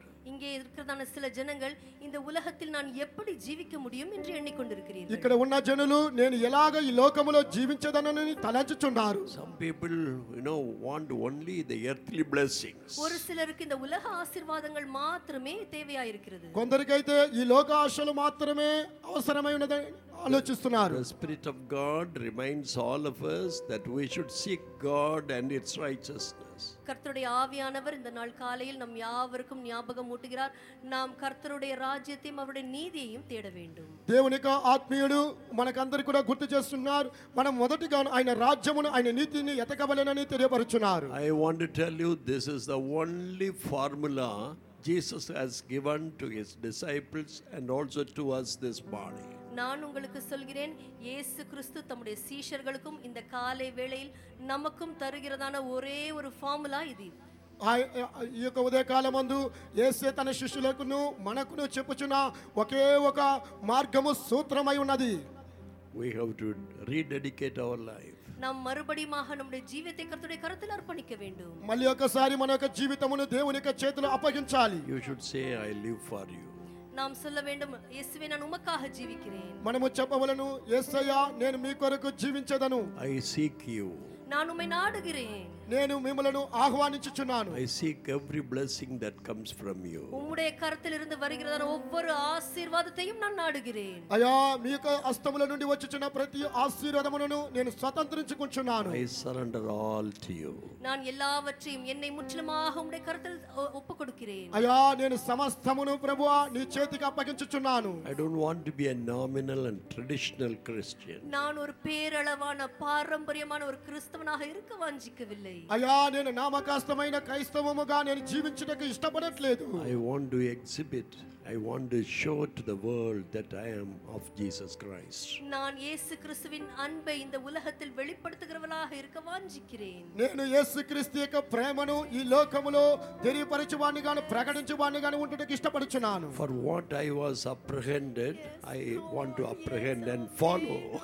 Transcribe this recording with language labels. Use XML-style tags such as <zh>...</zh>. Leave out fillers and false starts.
<ta>இங்கே இருக்கிறதான சில ஜனங்கள் இந்த உலகத்தில் நான் எப்படி ஜீவிக்க முடியும் என்று எண்ணிக்கொண்டிருக்கிறேன்.</ta> <te>இక్కడ ఉన్న జనులు నేను ఎలాగ ఈ లోకములో జీవించదనని తలంచుచున్నారు.</te> <en>Some people you know want only the earthly blessings.</en> <ta>ஒரு சிலருக்கு இந்த உலக ஆசீர்வாதங்கள் மட்டுமே தேவையா இருக்கிறது.</ta> <te>కొందరికైతే ఈ లోక ఆశలు మాత్రమే అవసరమై ఉన్నదని ఆలోచిస్తున్నారు.</te> <en>The spirit of God reminds all of us that we should seek God and its righteousness.</en> <ta>கர்த்தருடைய ஆவியானவர் இந்த நாள் காலையில் நம் யாவருக்கும் ஞாபகம் ஊட்டுகிறார், நாம் கர்த்தருடைய ராஜ்யத்தையும் அவருடைய நீதியையும் தேட வேண்டும்.</ta> <te>தேவனுக்கு ஆத்மீயுடு மனக்கந்தரு கூட குர்த்து చేస్తున్నారు, మనం మొదటిగా ఆయన రాజ్యమును ఆయన నీతిని ఎతకవలెనని తెలియపరుచున్నారు.</te> <en>I want to tell you this is the only formula Jesus has given to his disciples and also to us this morning.</en> <ta>நான் உங்களுக்கு சொல்கிறேன், இயேசு கிறிஸ்து தம்முடைய சீஷர்களுக்கும் இந்த காலை வேளையில் நமக்கும் தருகிறதான ஒரே ஒரு ஃபார்முலா இது.</ta> <te>ఈ యొక్క ఉదయ కాలమందు యేసే తన శిష్యులకును మనకును చెప్పుచున్న ఒకే ఒక మార్గము సూత్రమై ఉన్నది.</te> <en>We have to rededicate our life.</en> <ta>நாம் மறுபடியும் நம்முடைய ஜீவிதே கர்த்தருடைய கரத்தில் அர்ப்பணிக்க வேண்டும்.</ta> <te>மல்லியொக்கசாரி మనొక్క జీవితమును దేవునికి చేతులు అప్పగించాలి.</te> <en>You should say I live for you.</en> <ta>நாம் சொல்ல வேண்டும், இயேசுவே நான் உமக்காக ஜீவிக்கிறேன்.</ta> <te>మనము చెప్పవలను, యేసయ్యా నేను మీ కొరకు జీవించదను.</te> <en>I seek you.</en> <ta>நான் உம்மை நாடுகிறேன்.</ta> <te>నేను మిమ్మల్ని ఆహ్వానించుచున్నాను.</te> <en>I seek every blessing that comes from you.</en> <ta>உம்முடைய கரத்திலிருந்து வருகிறதான ஒவ்வொரு ஆசீர்வாதத்தையும் நான் நாடுகிறேன்.</ta> <te>ஐயா, మీ యొక్క హస్తముల నుండి వచ్చుచున్న ప్రతి ఆశీర్వాదమును నేను స్వతంత్రించుకుంటున్నాను.</te> <en>I surrender all to you.</en> <ta>நான் எல்லாவற்றையும் என்னை முற்றிலுமாக உம்முடைய கரத்தில் ஒப்புக்கொடுக்கிறேன்.</ta> <te>ஐயா, నేను సమస్తమును ప్రభువా నీ చేతికి అప్పగించుచున్నాను.</te> <en>I don't want to be a nominal and traditional Christian.</en> <ta>நான் ஒரு பேரளவான பாரம்பரியமான ஒரு கிறிஸ்தவனாக இருக்க வாஞ்சிக்கவில்லை.</ta> <te>అయ్యా, నేను నామకాస్తమైన క్రైస్తవముగా నేను జీవించడానికి ఇష్టపడట్లేదు.</te> <en>I want to exhibit, I want to show to the world that I am of Jesus Christ.</en> <ta>நான் యేసు క్రీస్తువின் அன்பை இந்த உலகத்தில் வெளிப்படுத்துகிறவளாக இருக்க வாஞ்சிக்கிறேன்.</ta> <te>నేను యేసు క్రీస్తుయొక్క ప్రేమను ఈ లోకములో తెలియపరచువానిగాను ప్రకటించువానిగాను ఉండడానికి ఇష్టపడుచున్నాను.</te> <en>For what I was apprehended, I want to apprehend and follow.</en>